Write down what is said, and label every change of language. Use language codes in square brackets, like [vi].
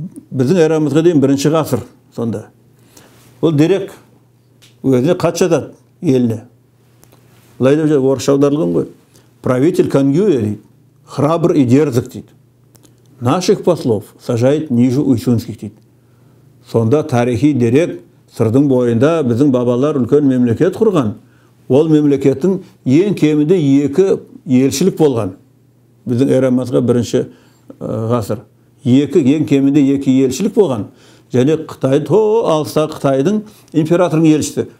[kk] Біздің эрамызға дейін 1-ші ғасыр сонда. Ол дерек өзіне хат жазады еліне. Былай деп жазады, орысша аударылған ғой. [ru] Правитель Кангюя [kk] дейді, [ru] храбр и дерзок дейді. Наших послов сажает ниже уйсунских [kk] дейді. Сонда тарихи дерек Сырдың бойында біздің бабалар үлкен мемлекет құрған. Ол мемлекеттің ең кемінде екі елшілік болған. Біздің эрамызға 1-ші ғасыр. Екі елшілік болған. Және Қытайды, алыста Қытайдың императорының елшісі.